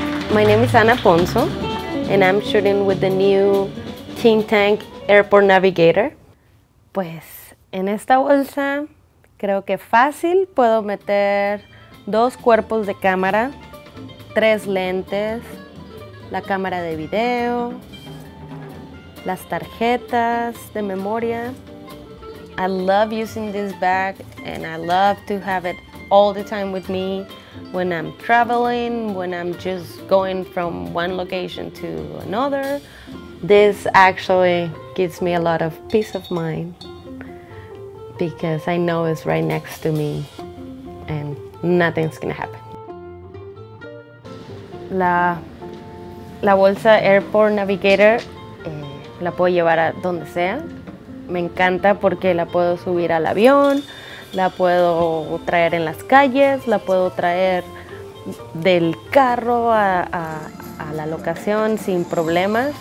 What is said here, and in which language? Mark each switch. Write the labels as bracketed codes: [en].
[en] My name is Ana Ponzo, and I'm shooting with the new Think Tank Airport Navigator. [es] Pues, en esta bolsa, creo que fácil puedo meter dos cuerpos de cámara, tres lentes, la cámara de video, las tarjetas de memoria. [en] I love using this bag, and I love to have it all the time with me when I'm traveling, when I'm just going from one location to another. This actually gives me a lot of peace of mind because I know it's right next to me and nothing's gonna happen. [es] La bolsa Airport Navigator la puedo llevar a donde sea. Me encanta porque la puedo subir al avión, la puedo traer en las calles, la puedo traer del carro a la locación sin problemas.